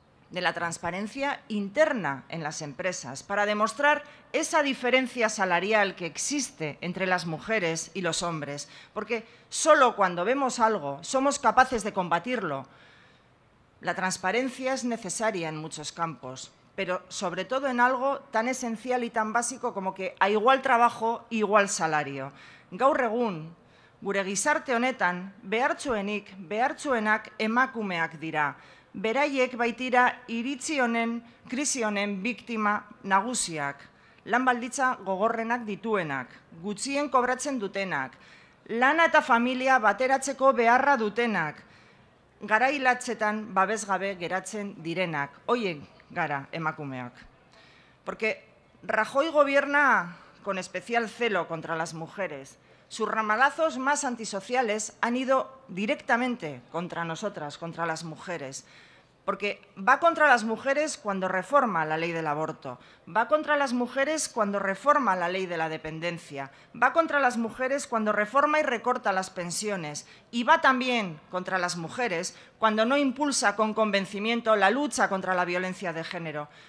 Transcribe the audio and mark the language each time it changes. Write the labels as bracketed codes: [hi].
[es] De la transparencia interna en las empresas, para demostrar esa diferencia salarial que existe entre las mujeres y los hombres. Porque solo cuando vemos algo somos capaces de combatirlo. La transparencia es necesaria en muchos campos, pero sobre todo en algo tan esencial y tan básico como que a igual trabajo, igual salario. [eu] Gaur egun, gure gizarte honetan, behartzuenik, behartzuenak emakumeak dira. Beraiek baitira iritzi honen, krisi honen biktima nagusiak, lan baldintza gogorrenak dituenak, gutxien kobratzen dutenak, lana eta familia bateratzeko beharra dutenak, garai latzetan babesgabe geratzen direnak, hoiek gara emakumeak. [es] Porque Rajoy gobierna con especial celo contra las mujeres. Sus ramalazos más antisociales han ido directamente contra nosotras, contra las mujeres. Porque va contra las mujeres cuando reforma la ley del aborto, va contra las mujeres cuando reforma la ley de la dependencia, va contra las mujeres cuando reforma y recorta las pensiones, y va también contra las mujeres cuando no impulsa con convencimiento la lucha contra la violencia de género.